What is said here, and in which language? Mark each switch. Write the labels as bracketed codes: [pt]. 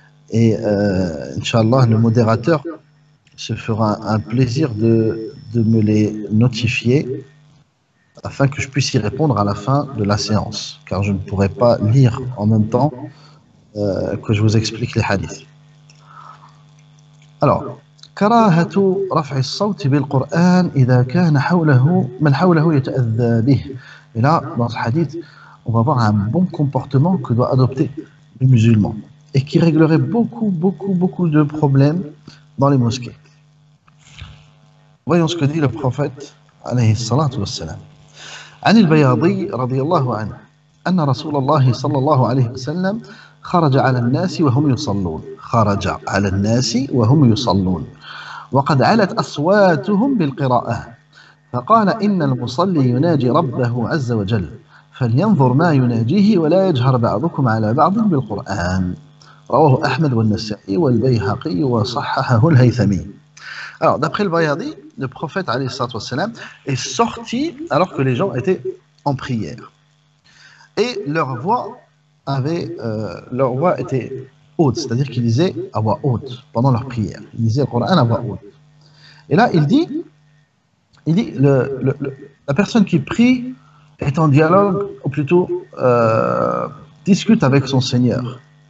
[fr] Et Inch'Allah, le modérateur se fera un plaisir de me les notifier afin que je puisse y répondre à la fin de la séance. Car je ne pourrai pas lire en même temps que je vous explique les hadiths. Alors, [ar] كراهة رفع الصوت بالقرآن إذا كان حوله من حوله يتأذى به. [fr] Et là, dans ce hadith, on va voir un bon comportement que doit adopter le musulman et qui réglerait beaucoup, beaucoup, beaucoup de problèmes dans les mosquées. Voyons ce que dit le prophète [ar] عليه الصلاة والسلام. عن البياضي رضي الله عنه أن رسول الله صلى الله عليه وسلم خرج على الناس وهم يصلون. خرج على الناس وهم يصلون وقد علت أصواتهم بالقراءة فقال إن المصلي يناجي ربه عز وجل فلينظر ما يناجيه ولا يجهر بعضكم على بعض بالقرآن رواه أحمد والنسائي والبيهقي وصححه الهيثمي [fr] Alors, d'après le Bayhaqi, le prophète والسلام, est sorti alors que les gens étaient en prière. Et leur voix avait, leur voix était haute, c'est-à-dire qu'ils disaient à voix haute pendant leur prière. Ils disaient le Coran à voix haute. Et là, il dit la personne qui prie est en dialogue, ou plutôt discute avec son Seigneur.